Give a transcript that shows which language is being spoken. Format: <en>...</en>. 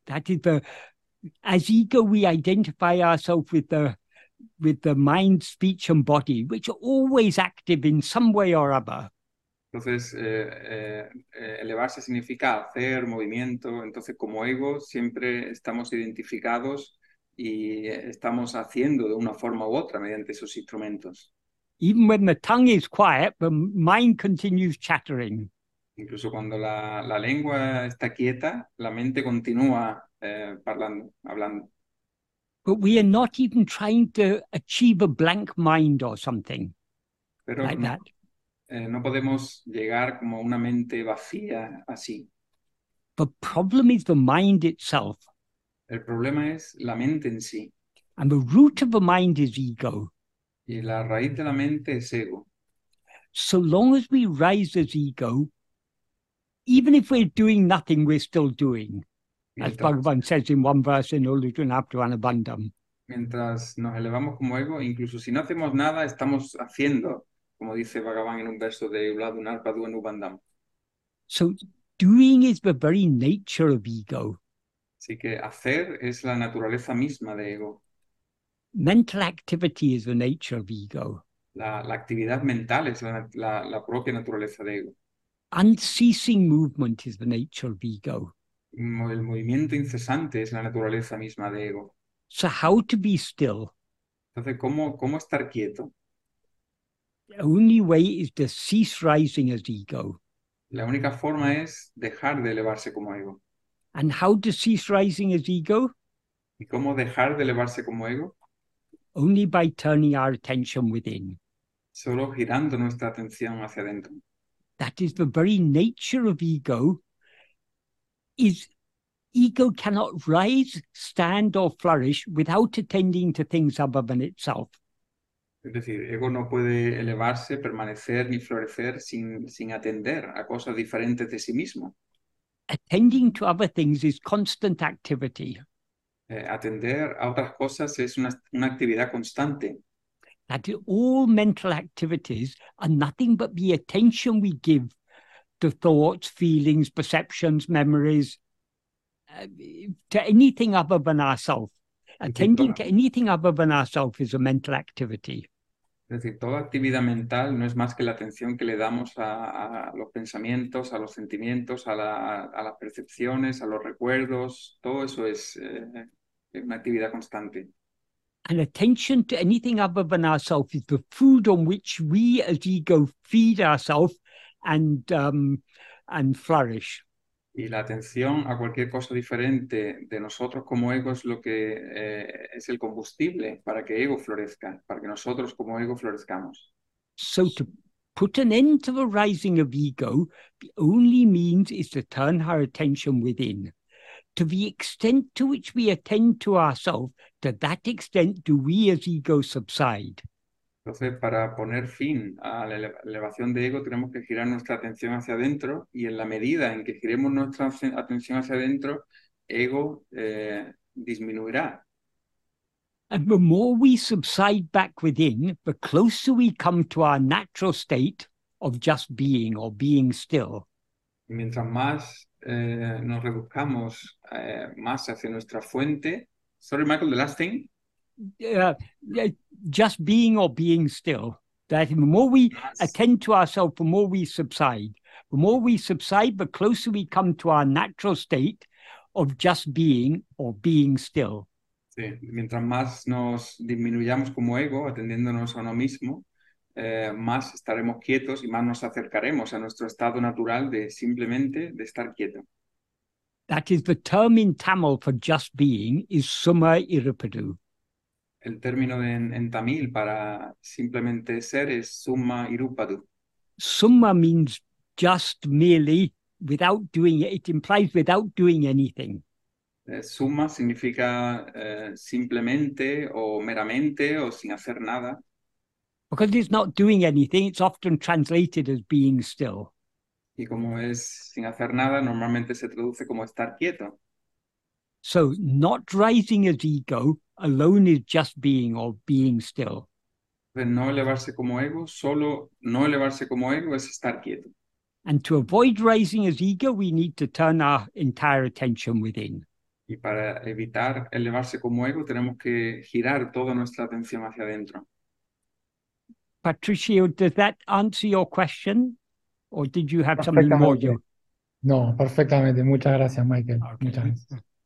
<en>That is, as ego we identify ourselves with the mind, speech and body, which are always active in some way or other.</en> <es>Entonces, elevarse significa hacer, movimiento. Entonces, como ego, siempre estamos identificados y estamos haciendo de una forma u otra mediante esos instrumentos.</es> <en>Even when the tongue is quiet, the mind continues chattering.</en> <es>Incluso cuando la lengua está quieta, la mente continúa hablando.</es> <en>But we are not even trying to achieve a blank mind or something</en> <es>Pero</es> <en>like</en> <es>no.</es> <en>that.</en> <es>No podemos llegar como una mente vacía así.</es> <en>The problem is the mind itself.</en> <es>El problema es la mente en sí.</es> <en>And the root of the mind is ego.</en> <es>Y la raíz de la mente es ego.</es> <en>So long as we rise as ego, even if we're doing nothing, we're still doing. As Bhagavan says in one verse in Ulutunaptuanabandham.</en> <es>Mientras nos elevamos como ego, incluso si no hacemos nada, estamos haciendo, como dice Bhagavan en un verso de Ulutunaptuanabandham.</es> <en>So doing is the very nature of ego.</en> <es>Así que hacer es la naturaleza misma de ego.</es> <en>Mental activity is the nature of ego.</en> <es>La actividad mental es la propia naturaleza de ego.</es> <en>Unceasing movement is the nature of ego.</en> <es>El movimiento incesante es la naturaleza misma de ego.</es> <en>So how to be still?</en> <es>Entonces, ¿cómo estar quieto?</es> <en>The only way is to cease rising as ego.</en> <es>La única forma es dejar de elevarse como ego.</es> <en>And how to cease rising as ego?</en> <es>¿Y cómo dejar de elevarse como ego?</es> <en>Only by turning our attention within.</en> <es>Solo girando nuestra atención hacia adentro.</es> <en>That is the very nature of ego. Is ego cannot rise, stand or flourish without attending to things other than itself.</en> <es>Es decir, ego no puede elevarse, permanecer ni florecer sin atender a cosas diferentes de sí mismo.</es> <en>Attending to other things is constant activity.</en> <es>Atender a otras cosas es una actividad constante.</es> <en>That all mental activities are nothing but the attention we give to thoughts, feelings, perceptions, memories, to anything other than ourselves. Attending to anything other than ourselves is a mental activity.</en> <es>Es decir, toda actividad mental no es más que la atención que le damos a los pensamientos, a los sentimientos, a las percepciones, a los recuerdos. Todo eso es una actividad constante.</es> <en>And attention to anything other than ourselves is the food on which we as ego feed ourselves and flourish.</en> <es>Y la atención a cualquier cosa diferente de nosotros como ego es lo que es el combustible para que ego florezca, para que nosotros como ego florezcamos.</es> <en>So to put an end to the rising of ego, the only means is to turn our attention within. To the extent to which we attend to ourselves, to that extent do we as ego subside.</en> <es>Entonces, para poner fin a la elevación de ego, tenemos que girar nuestra atención hacia adentro, y en la medida en que giremos nuestra atención hacia adentro, ego disminuirá.</es> <en>And the more we subside back within, the closer we come to our natural state of just being or being still.</en> <es>Y mientras más nos reduzcamos más hacia nuestra fuente.</es> <en>Sorry, Michael, the last thing. Just being or being still. That the more we attend to ourselves, the more we subside. The more we subside, the closer we come to our natural state of just being or being still.</en> <es>Sí, mientras más nos disminuyamos como ego, atendiéndonos a uno mismo, más estaremos quietos y más nos acercaremos a nuestro estado natural de simplemente de estar quieto.</es> <en>That is the term in Tamil for just being is summa irupadu.</en> <es>El término en tamil para simplemente ser es summa irupadu.</es> <en>Summa means just merely without doing it. It implies without doing anything.</en> <es>Summa significa simplemente o meramente o sin hacer nada.</es> <en>Because it's not doing anything, it's often translated as being still.</en> <es>Y como es sin hacer nada, normalmente se traduce como estar quieto.</es> <en>So, not rising as ego alone is just being or being still.</en> <es>No elevarse como ego, solo no elevarse como ego es estar quieto.</es> <en>And to avoid rising as ego, we need to turn our entire attention within.</en> <es>Y para evitar elevarse como ego, tenemos que girar toda nuestra atención hacia adentro.</es> <en>Patricio, does that answer your question? Or did you have something more?</en> <es>No, perfectamente. Muchas gracias, Michael.</es> <en>Okay.</en> <es>Muchas gracias.</es>